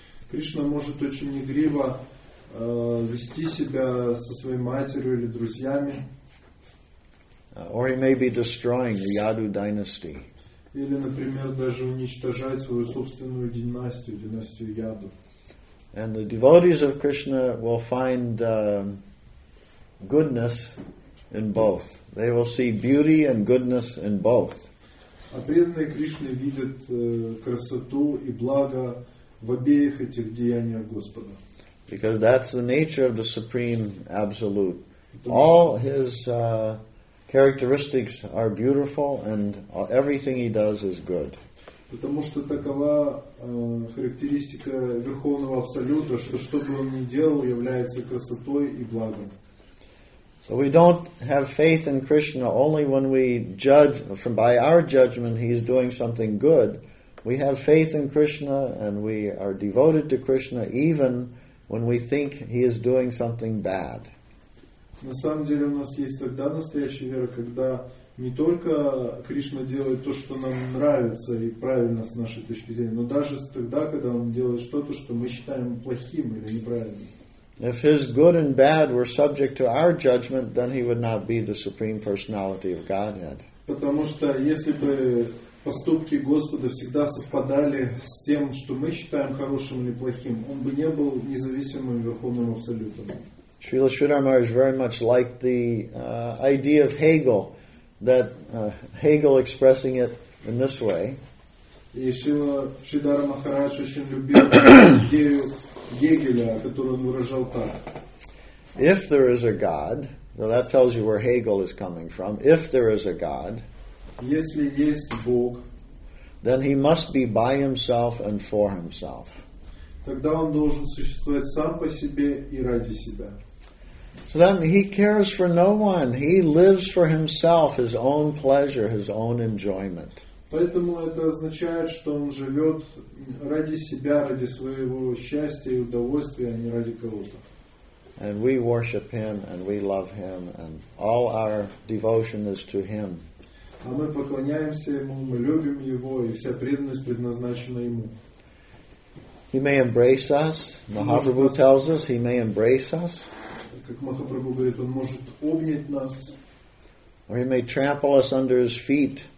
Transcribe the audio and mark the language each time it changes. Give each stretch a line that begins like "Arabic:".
Russian: Кришна может очень игриво вести себя со своей матерью или друзьями.
English: Or he may be destroying the Yadu dynasty.
Russian: Или, например, даже уничтожать свою собственную династию, династию Яду.
English: And the devotees of Krishna will find goodness in both. They will see beauty and goodness in both.
Russian: А преданные Кришны видят красоту и благо в обеих этих деяниях Господа.
English: Because that's the nature of the Supreme Absolute. All his characteristics are beautiful and everything he does is good.
Russian: Потому что такова характеристика Верховного Абсолюта, что бы он ни делал, является красотой и благом.
English: So we don't have faith in Krishna only when we judge, from by our judgment, he's doing something good. We have faith in Krishna and we are devoted to Krishna even when we think he is doing something bad.
Russian: На самом деле у нас есть тогда настоящая вера, когда не только Кришна делает то, что нам нравится и правильно с нашей точки зрения, но даже тогда, когда он делает что-то, что мы считаем плохим или неправильным.
English: If his good and bad were subject to our judgment, then he would not be the Supreme Personality of Godhead.
Russian: Потому что если бы поступки Господа всегда совпадали с тем, что мы считаем хорошим или плохим, он бы не был независимым Верховным Абсолютом.
English: Srila Sridhar Maharaj very much liked the idea of Hegel, that Hegel expressing it in this way.
Russian: И Srila Sridhar Maharaj очень любил идею Гегеля, которую он выражал так.
English: If there is a God, so that tells you where Hegel is coming from, if there is a God,
Russian: если есть Бог,
English: then he must be by himself and for himself.
Russian: Тогда он должен существовать сам по себе и ради себя.
English: So then he cares for no one. He lives for himself, his own pleasure, his own enjoyment.
Russian: Поэтому это означает, что он живет ради себя, ради своего счастья и удовольствия, а не ради кого-то.
English: And we worship him and we love him and all our devotion is to him.
Russian: А мы поклоняемся ему, мы любим его, и вся преданность предназначена ему.
English: He may embrace us. Mahaprabhu tells us he may embrace us.
Russian: Как Махапрабху говорит, он может обнять нас.
English: Or he may trample us under his feet.